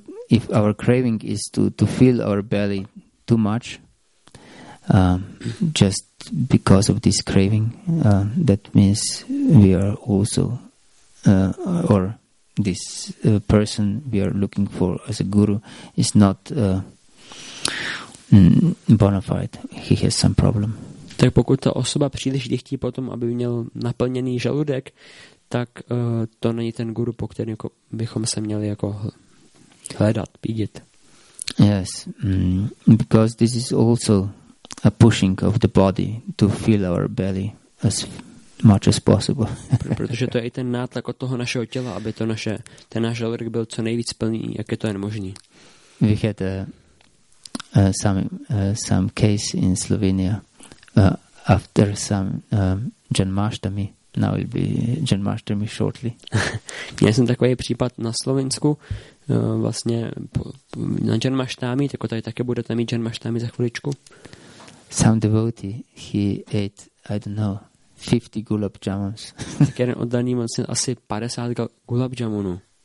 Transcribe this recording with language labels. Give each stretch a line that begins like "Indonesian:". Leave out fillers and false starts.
English: If our craving is to fill our belly too much, just because of this craving, that means we are also, or this person we are looking for as a guru is not bona fide. He has some problem.
Czech: Tak pokud ta osoba příliš dychtí po tom, aby měl naplněný žaludek, tak to není ten guru, po kterém bychom se měli jako hledat, pídit.
English: Yes, because this is also a pushing of the body to fill our belly as much as possible.
Czech: Protože to je i ten nátlak od toho našeho těla, aby to naše, ten náš žaludek byl co nejvíc plný, jak je to jen možný.
English: We had some case in Slovenia after some Janmashtami. Now it'll be Janmashtami shortly.
Czech: Měl jsem takový případ na Slovensku, vlastně na Janmashtami, tak tady také budete mít Janmashtami za chviličku.
English: Some devotee, he ate, I don't know, 50 gulab jamuns.
Czech: Tak jeden oddaný měl asi 50 gulab jamunů.